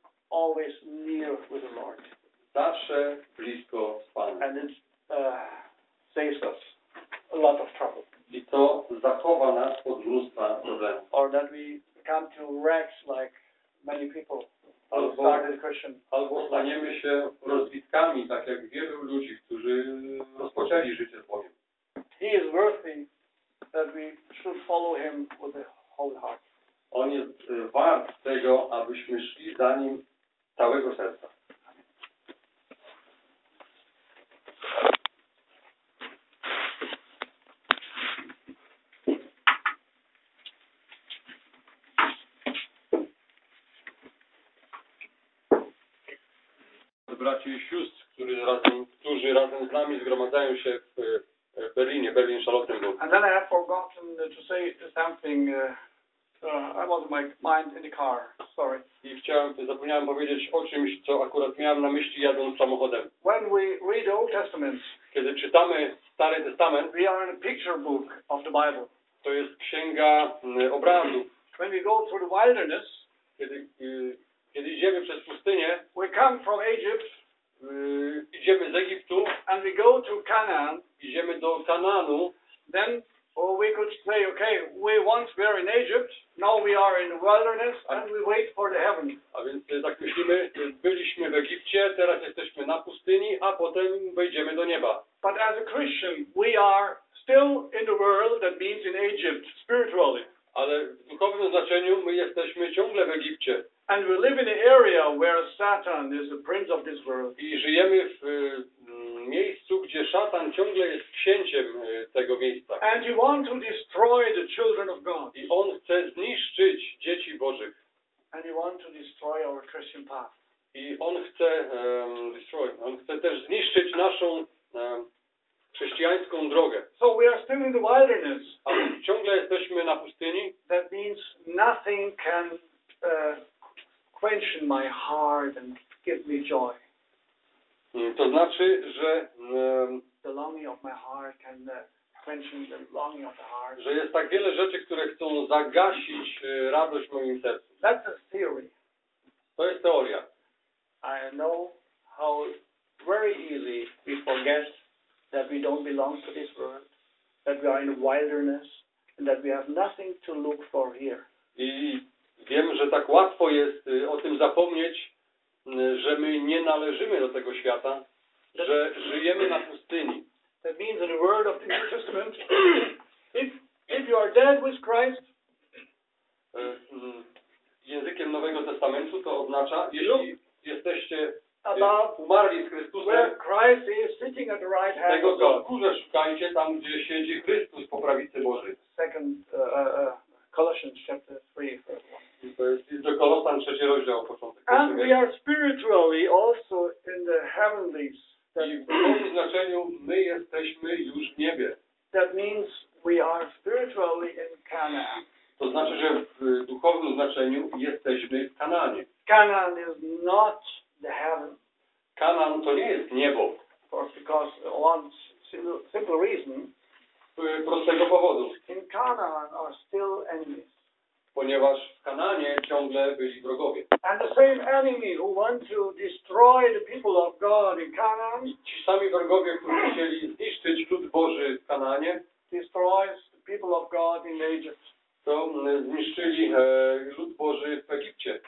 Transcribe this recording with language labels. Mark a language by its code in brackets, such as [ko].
[en] Always near with the Lord. [pl] Zawsze blisko z Panem. [en] And it saves us a lot of trouble. [pl] I to zachowa nas od mnóstwa problemów. [en] Or that we come to wrecks like many people who started Christian. [pl] Albo staniemy się rozbitkami, tak jak wielu ludzi, którzy rozpoczęli życie z Bogiem. [en] He is worthy that we should follow him with a whole heart. [pl] On jest wart tego, abyśmy szli za nim całego serca. Braci i sióstr, którzy razem z nami zgromadzają się w Berlinie, Berlin Charlottenburg. [en] And then I had forgotten to say something. I was in my mind in the car. Sorry. [pl] I zapomniałem powiedzieć o czymś, co akurat miałem na myśli jadąc samochodem. [en] When we read Old Testament, [pl] kiedy czytamy Stary Testament, [en] we are in a picture book of the Bible. [pl] To jest księga obrazu. [en] When we go through the wilderness, [pl] kiedy idziemy przez pustynię, [en] we come from Egypt, [pl] idziemy z Egiptu, [en] and we go to Canaan, [pl] idziemy do Kanaanu, [en] then or we could say, okay, we once were in Egypt, now we are in the wilderness, and we wait for the heaven. [pl] A więc tak myślimy, byliśmy w Egipcie, teraz jesteśmy na pustyni, a potem wejdziemy do nieba. [en] But as a Christian, we are still in the world, that means in Egypt, spiritually. [pl] Ale w duchowym znaczeniu my jesteśmy ciągle w Egipcie. [en] And we live in an area where Satan is the prince of this world. [pl] I żyjemy w miejscu, gdzie szatan ciągle jest księciem tego miejsca. [en] And he wants to destroy the children of God. [pl] I on chce zniszczyć dzieci Bożych. [en] And he wants to destroy our Christian path. [pl] I on chce on chce też zniszczyć naszą chrześcijańską drogę. [en] So we are still in the wilderness. [pl] A ciągle jesteśmy na pustyni. [en] That means nothing can quench my heart and give me joy. [pl] To znaczy, że [en] the longing of my heart can quench the longing of the heart. [pl] Że jest tak wiele rzeczy, które chcą zagasić radość w moim sercu. [en] That's a theory. [pl] To jest teoria. [en] I know how very easy we forget that we don't belong to this world, that we are in the wilderness, and that we have nothing to look for here. [pl] I wiem, że tak łatwo jest o tym zapomnieć, że my nie należymy do tego świata, że żyjemy na pustyni. [en] That means in the world of the New Testament, if you are dead with Christ, [pl] językiem Nowego Testamentu to oznacza, jeśli jesteście umarli z Chrystusem, [en] where Christ is sitting at the right hand. [pl] Tego co kurze szukajcie tam, gdzie siedzi Chrystus po prawicy Bożej. [en] Second Colossians chapter 3. [pl] To jest do Kolosan trzeci rozdział początek. [en] And we are spiritually also in the heavenlies. [pl] I w tym znaczeniu my jesteśmy już w niebie. [en] That means we are spiritually in Canaan. [pl] To znaczy, że w duchowym znaczeniu jesteśmy w Kanaanie. [en] Canaan is not the heaven. [pl] Kanaan to nie jest niebo. [en] Of course, because one simple reason. [pl] Prostego powodu. [en] In Canaan are still enemies. [pl] Ponieważ w Kanaanie ciągle byli wrogowie. [en] And the same enemy who want to destroy the people of God in Canaan. [pl] Ci sami wrogowie, którzy chcieli zniszczyć lud Boży w Kanaanie. [en] Destroys the people of God in Egypt. [pl] To zniszczyli lud Boży w Egipcie.